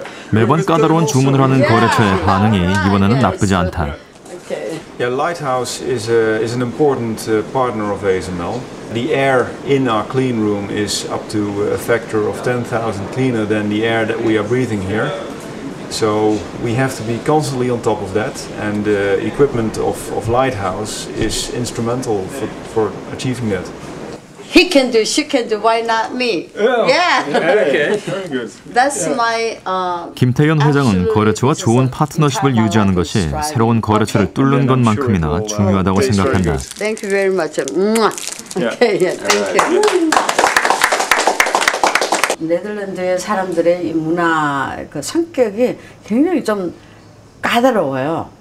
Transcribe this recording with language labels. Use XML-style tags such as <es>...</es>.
<ko>매번 까다로운 주문을 하는 거래처의 반응이 이번에는 나쁘지 않다.</ko> <en>Yeah, Lighthouse is an important partner of ASML. The air in our clean room is up to a factor of 10,000 cleaner than the air that we are breathing here. So we have to be constantly on top of that, and the equipment of Lighthouse is instrumental for achieving that. He can do, she can do, why not me? Oh. Yeah. Yeah. Okay. Very good. That's yeah. my...</en> <ko>김태현 회장은 거래처와 좋은 파트너십을 유지하는 것이 새로운 거래처를 뚫는 것만큼이나 중요하다고 생각한다.</ko> <en>Thank you very much. Okay, yeah, thank you.</en> <ko>네덜란드의 사람들의 이 문화 그 성격이 굉장히 좀 까다로워요.</ko>